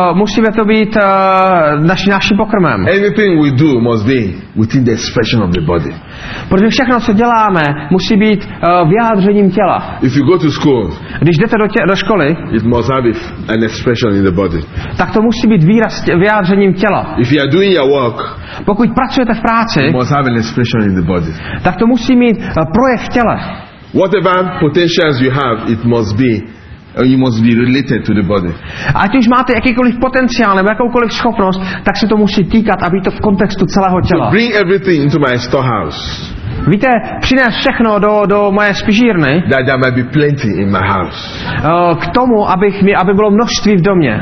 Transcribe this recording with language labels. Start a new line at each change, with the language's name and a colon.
Czech: Musí to být naším pokrmem.
English: Anything we do must be within the expression of the body.
Czech: Protože všechno, co děláme, musí být vyjádřením těla.
English: If you go to school,
Czech: když jdete do školy,
English: it must have an expression in the body.
Czech: Tak to musí být výraz vyjádřením těla.
English: If you are doing your work,
Czech: pokud pracujete v práci,
English: it must have an expression in the body.
Czech: Tak to musí mít projev těla.
English: Whatever potentials you have, it must be. You must be related to the body.
Czech: Ať už máte jakýkoliv potenciál nebo jakoukoliv schopnost, tak se to musí týkat, aby to v kontextu celého těla.
English: So bring everything into my storehouse.
Czech: Víte, přinést všechno do moje spižírny.
English: That there might be plenty in my house.
Czech: K tomu, aby bylo množství v domě.